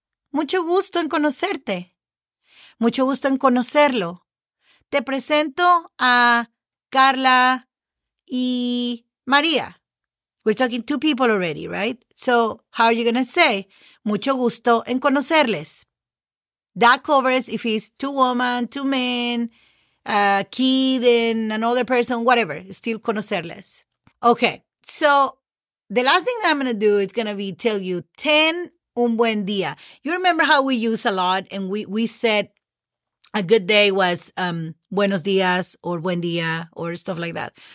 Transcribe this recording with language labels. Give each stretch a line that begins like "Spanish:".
Spanish: Mucho gusto en conocerte. Mucho gusto en conocerlo. Te presento a Karla y María.
English: We're talking two people already, right? So how are you going to say?
Spanish: Mucho gusto en conocerles.
English: That covers if it's two women, two men, a kid and another person, whatever. Still conocerles. Okay, so the last thing that I'm going to do is going to be tell you 10
Spanish: un buen día.
English: You remember how we use a lot and we said a good day was
Spanish: buenos días
English: or
Spanish: buen día
English: or stuff like that.